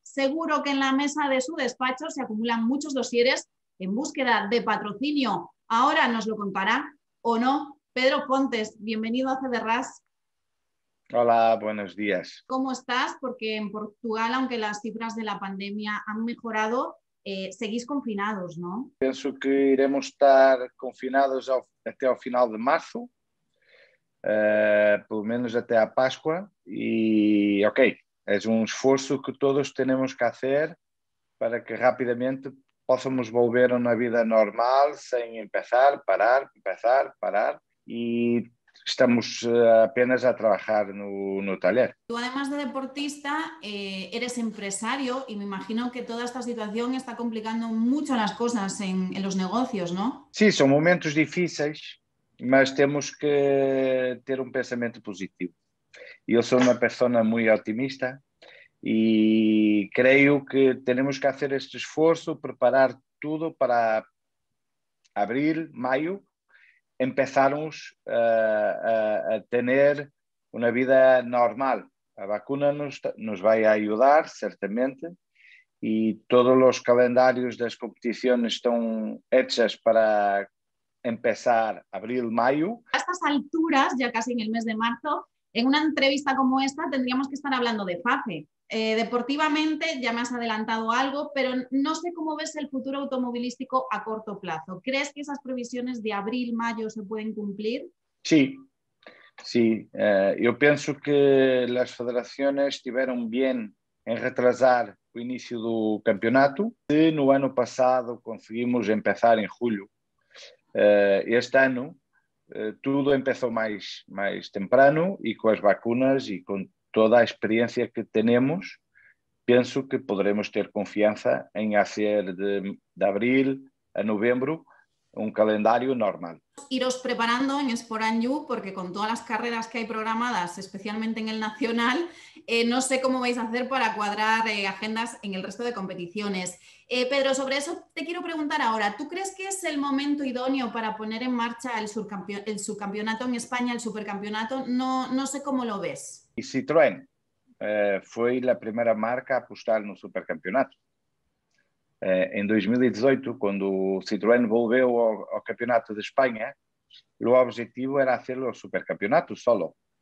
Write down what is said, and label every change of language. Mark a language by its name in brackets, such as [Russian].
[Spanish] Seguro que en la mesa de su despacho se acumulan muchos dosieres en búsqueda de patrocinio. Ahora nos lo contará, ¿o no? Pedro Fontes, bienvenido a CDRAS. Hola, buenos días. ¿Cómo estás? Porque en Portugal, aunque las cifras de la pandemia han mejorado, seguís confinados, ¿no? [Portuguese] Penso que iremos estar confinados até ao final de março, pelo menos até a Páscoa. E, ok, é um esforço que todos temos que fazer para que rapidamente possamos volver a uma vida normal, sem começar, parar, começar, parar. E estamos apenas a trabajar no taller. [Spanish] Tú, además de deportista, eres empresario y me imagino que toda esta situación está complicando mucho las cosas en los negocios, ¿no? Sí, son momentos difíciles, [Portuguese] mas temos que ter pensamento positivo. Eu sou uma pessoa muito otimista e creio que temos que fazer este esforço, preparar tudo para abril, maio, começarmos a ter uma vida normal. A vacuna nos vai ajudar, certamente, e todos os calendários das competições estão hechas para começar abril, maio. A estas alturas, já quase no mês de março, em uma entrevista como esta, tendríamos que estar falando de FACE. [Spanish] Deportivamente ya me has adelantado algo, pero no sé cómo ves el futuro automovilístico a corto plazo. ¿Crees que esas previsiones de abril, mayo se pueden cumplir? Sí, sí. Yo pienso que las federaciones estuvieron bien en retrasar el inicio del campeonato. Si en el año pasado conseguimos empezar en julio, este año todo empezó más temprano y con las vacunas y con toda [Portuguese] a experiência que temos, penso que poderemos ter confiança em fazer de abril a novembro um calendário normal. Iros preparando em Sport & You, porque com todas as carreras que há programadas, especialmente em el Nacional, não sei como vais fazer para quadrar agendas em el resto de competições. Pedro, sobre isso, te quero perguntar agora. Tu crees que é o momento idôneo para [Spanish] poner em marcha el subcampeonato [Portuguese] em Espanha, el supercampeonato? Não sei como [Spanish] lo ves. Y Citroën fue la primera marca a apostar en un supercampeonato. En 2018, cuando Citroën volvió al campeonato de España, el objetivo era hacer el supercampeonato solo.